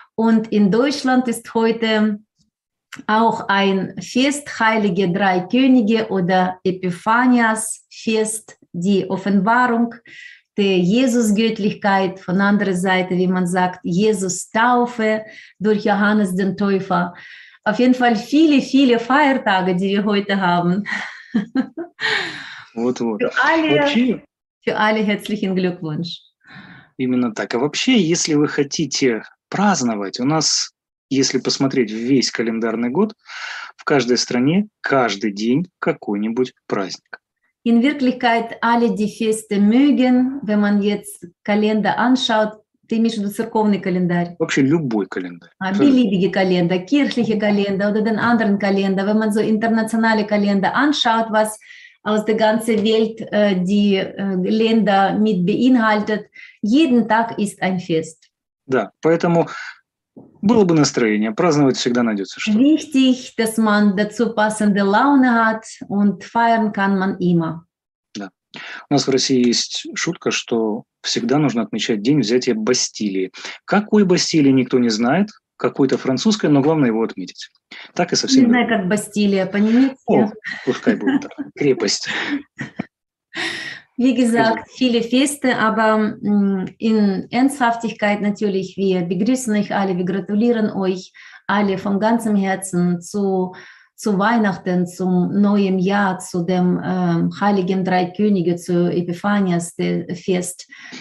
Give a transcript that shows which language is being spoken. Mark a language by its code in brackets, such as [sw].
[de] Und in Deutschland ist heute auch ein Fest, Heilige Drei Könige oder Epiphanias-Fest, die Offenbarung der Jesus-Göttlichkeit, von anderer Seite, wie man sagt, Jesus-Taufe durch Johannes den Täufer. Auf jeden Fall viele, viele Feiertage, die wir heute haben. [ru] Вот, вот. [de] Für alle herzlichen Glückwunsch. [ru] Именно так. А вообще, если вы хотите праздновать, у нас, если посмотреть весь календарный год, в каждой стране каждый день какой-нибудь праздник. [de] In Wirklichkeit, alle die Feste mögen, wenn man jetzt Kalender anschaut, [ru] ты имеешь в виду церковный календарь? Вообще любой календарь. [de] А, beliebige Kalender, kirchliche Kalender oder den anderen Kalender. Wenn man so internationale Kalender anschaut, was aus der ganzen Welt die Länder mit beinhaltet, jeden Tag ist ein Fest. [ru] Да, поэтому было бы настроение, праздновать всегда найдется что-то. [de] Wichtig, dass man dazu passende Laune hat und feiern kann man immer. [ru] Да. У нас в России есть шутка, что всегда нужно отмечать день взятия Бастилии. Какой Бастилии, никто не знает, какой-то французской, но главное его отметить. Так и со всеми. Не знаю, как Бастилия, понимаете? О, пускай будет так. Крепость. [de] Wie gesagt, viele Feste, aber in Ernsthaftigkeit natürlich, wir begrüßen euch alle, wir gratulieren euch alle von ganzem Herzen zu Weihnachten, zum neuen Jahr, zu dem Heiligen Drei Könige, zu Epiphanias Fest.